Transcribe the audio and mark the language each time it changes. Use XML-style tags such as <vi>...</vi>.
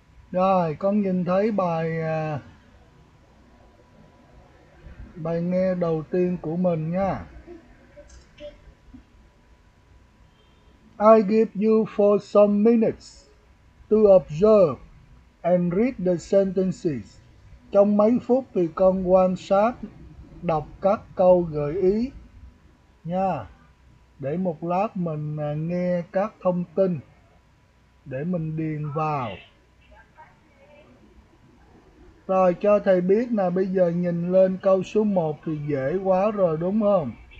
<vi>Rồi, con nhìn thấy bài bài nghe đầu tiên của mình nha.</vi> <en>I give you 4 some minutes to observe and read the sentences.</en> <vi>Trong mấy phút thì con quan sát, đọc các câu gợi ý nha. Để một lát mình nghe các thông tin để mình điền vào. Rồi cho thầy biết là bây giờ nhìn lên câu số 1 thì dễ quá rồi đúng không?</vi>